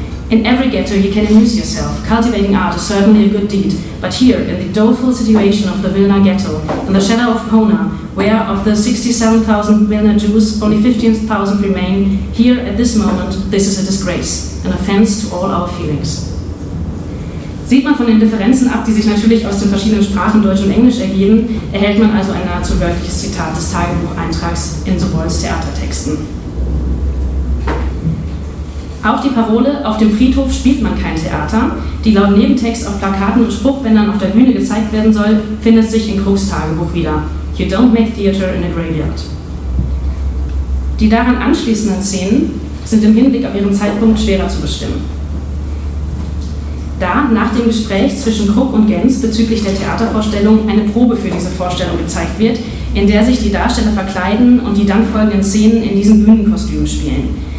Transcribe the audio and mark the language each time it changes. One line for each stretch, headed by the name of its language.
English: In every ghetto you can amuse yourself, cultivating art is certainly a good deed, but here, in the doleful situation of the Vilna ghetto, in the shadow of Pona, where of the 67,000 Vilna Jews only 15,000 remain, here at this moment this is a disgrace, an offense to all our feelings.
German: Sieht man von den Differenzen ab, die sich natürlich aus den verschiedenen Sprachen Deutsch und Englisch ergeben, erhält man also ein nahezu wörtliches Zitat des Tagebucheintrags in Sobols Theatertexten. Auch die Parole "Auf dem Friedhof spielt man kein Theater", die laut Nebentext auf Plakaten und Spruchbändern auf der Bühne gezeigt werden soll, findet sich in Krocks Tagebuch wieder.
English: You don't make theater in a graveyard.
German: Die daran anschließenden Szenen sind im Hinblick auf ihren Zeitpunkt schwerer zu bestimmen. Da nach dem Gespräch zwischen Krock und Genz bezüglich der Theatervorstellung eine Probe für diese Vorstellung gezeigt wird, in der sich die Darsteller verkleiden und die dann folgenden Szenen in diesen Bühnenkostümen spielen.